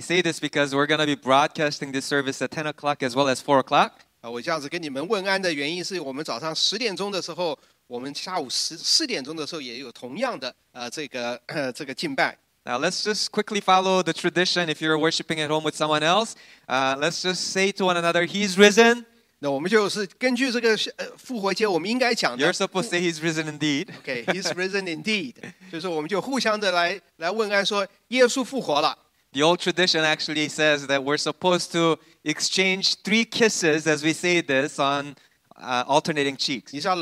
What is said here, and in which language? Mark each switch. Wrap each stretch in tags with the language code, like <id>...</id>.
<en>say this because we're going to be broadcasting this service at 10 o'clock as well as 4 o'clock.</en> <zh>我这样子跟你们问安的原因是我们早上10点钟的时候，我们下午4点钟的时候也有同样的这个敬拜。</zh> <en>Now, let's just quickly follow the tradition if you're worshiping at home with someone else. Let's just say to one another, "He's risen."</en> <zh>那我们就是根据这个复活节我们应该讲的。</zh> <en>You're supposed to say he's risen indeed. Okay, he's risen indeed.</en> <zh>就是我们就互相的来问安说耶稣复活了。</zh> <en>The old tradition actually says that we're supposed to exchange 3 kisses as we say this on alternating cheeks.</en>